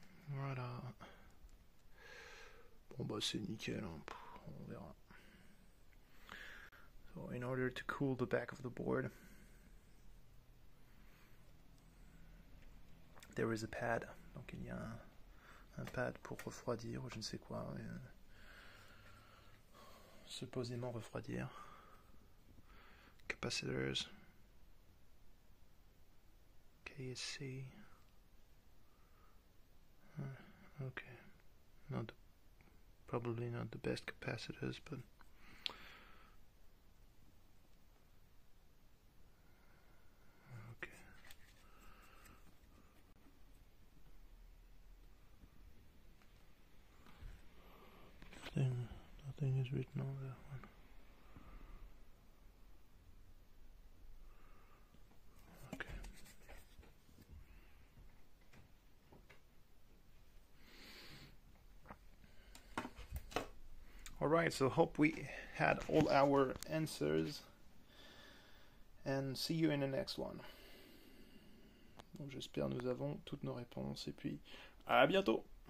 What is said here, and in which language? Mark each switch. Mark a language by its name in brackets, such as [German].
[French] Voilà. Bon bah c'est nickel, hein. On verra. [English] So in order to cool the back of the board, there is a pad. [French] Donc il y a un pad pour refroidir ou je ne sais quoi. Supposément refroidir. Capacitors. [English] KSC. Okay. Probably not the best capacitors, but okay. [French] 28, non, vers. [English] All right, so hope we had all our answers and see you in the next one. [French] Donc j'espère nous avons toutes nos réponses et puis à bientôt.